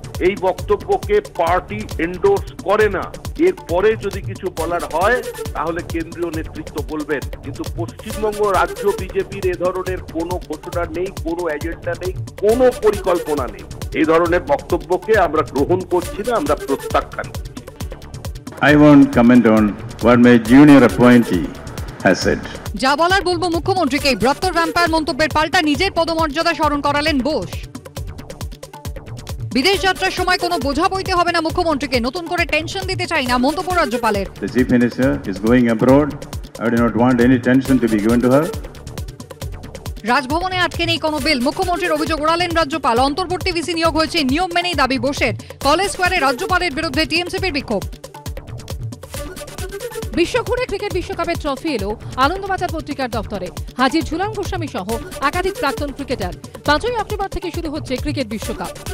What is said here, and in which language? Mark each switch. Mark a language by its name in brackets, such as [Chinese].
[Bangla] এই বক্তব্যকে party endorse করে না। এরপরে যদি কিছু বলার হয় তাহলে কেন্দ্রীয় নেতৃত্ব বলবেন, কিন্তু পশ্চিমবঙ্গ রাজ্য বিজেপির এ ধরনের কোনো ঘোষণা নেই, কোনো এজেন্ডা নেই, কোনো পরিকল্পনা নেই। এই ধরনের বক্তব্যকে আমরা গ্রহণ করছি না, আমরা প্রত্যাখ্যান করছি। [English] I won't comment on what my junior appointee has said. [Bangla] যা বলার বলবো মুখ্যমন্ত্রীকে, ব্রত্তর ভ্যাম্পায়ার মন্তব্যের পাল্টা নিজের পদমর্যাদা স্মরণ করালেন বোস। বিদেশ যাত্রার সময় কোনো বোঝা বইতে হবে না মুখ্যমন্ত্রীকে, নতুন করে টেনশন দিতে চাই না মন্তব্য রাজ্যপালের। [English] The chief minister is going abroad. I do not want any tension to be given to her. [Bangla] রাজভবনে আটকে নেই কোনো বিল, মুখ্যমন্ত্রীর অভিযোগ উড়ালেন রাজ্যপাল। অন্তর্বর্তী ভিসি নিয়োগ হয়েছে নিয়ম মেনেই দাবি বোসের। কলেজ স্কোয়ারে রাজ্যপালের বিরুদ্ধে টিএমসিপির বিক্ষোভ। বিশ্বঘুরে ক্রিকেট বিশ্বকাপের ট্রফি এলো আনন্দবাজার পত্রিকার দপ্তরে। হাজির ঝুলন গোস্বামী সহ একাধিক প্রাক্তন ক্রিকেটার। 5ই অক্টোবর থেকে শুরু হচ্ছে ক্রিকেট বিশ্বকাপ।